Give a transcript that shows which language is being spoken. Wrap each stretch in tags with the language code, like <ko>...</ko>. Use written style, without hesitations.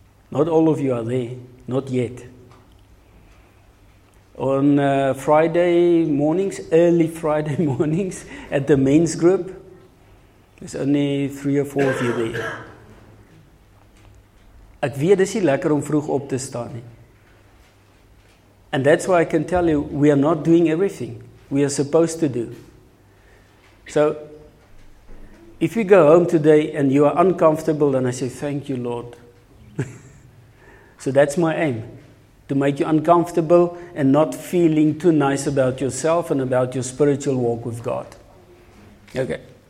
<en>Not all of you are there, not yet. On Friday mornings, early Friday mornings, at the men's group, there's only three or four of you there.</en> <af>Ek weet, dis nie lekker om vroeg op te staan nie.</af> <en>And that's why I can tell you, we are not doing everything we are supposed to do. So, if you go home today and you are uncomfortable, then I say, thank you, Lord. So that's my aim. To make you uncomfortable and not feeling too nice about yourself and about your spiritual walk with God. Okay.</en>